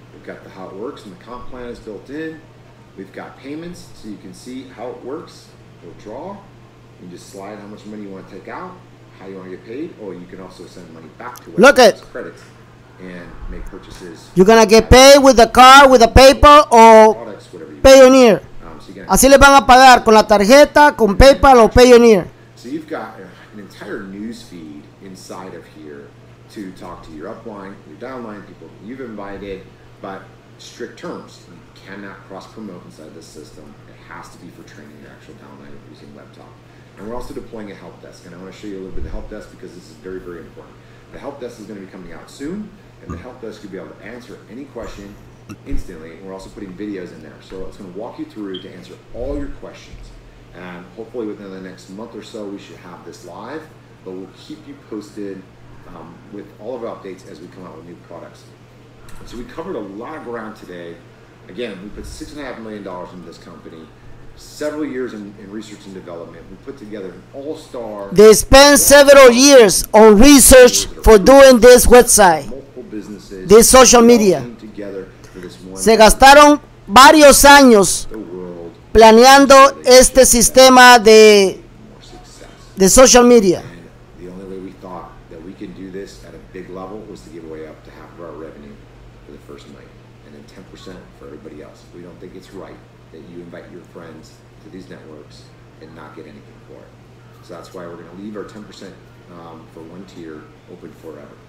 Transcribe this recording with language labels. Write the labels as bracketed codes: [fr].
[en] We've got the how it works and the comp plan is built in. We've got payments, so you can see how it works. Withdraw, you can just slide how much money you want to take out, how you want to get paid, or you can also send money back to look at credits and make purchases. You're gonna get paid with the car, with the PayPal, or Payoneer. [es] Así le van a pagar con la tarjeta, con PayPal o Payoneer. [en] So you've got an entire news feed inside of here to talk to your upline, your downline, people you've invited, but strict terms. You cannot cross promote inside this system. It has to be for training your actual downline using Webtalk. And we're also deploying a help desk, and I want to show you a little bit of the help desk because this is very, very important. The help desk is going to be coming out soon, and the help desk will be able to answer any question instantly. And we're also putting videos in there, so it's going to walk you through to answer all your questions. And hopefully within the next month or so, we should have this live, but we'll keep you posted with all of our updates as we come out with new products. So we covered a lot of ground today. Again, we put $6.5 million into this company, several years in research and development. We put together an all-star. They spent several years on research for doing this website, multiple businesses, this social media. Together for this one. [es] Se gastaron varios años planeando este sistema de social media. [en] And the only way we thought that we could do this at a big level was to give away up to half of our revenue for the first night, and then 10% for everybody else. We don't think it's right that you invite your friends to these networks and not get anything for it. So that's why we're going to leave our 10% for one tier open forever.